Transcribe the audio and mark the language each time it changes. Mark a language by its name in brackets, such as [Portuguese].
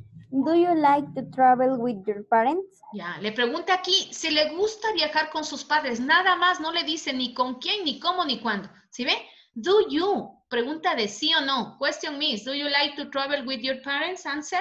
[English] Do you like to travel with your parents? [Spanish] Ya, le pregunta aquí si le gusta viajar con sus padres. Nada más, no le dice ni con quién, ni cómo, ni cuándo. ¿Sí ve? [English] Do you? [Spanish] Pregunta de sí o no. [English] Question me, do you like to travel with your parents? Answer.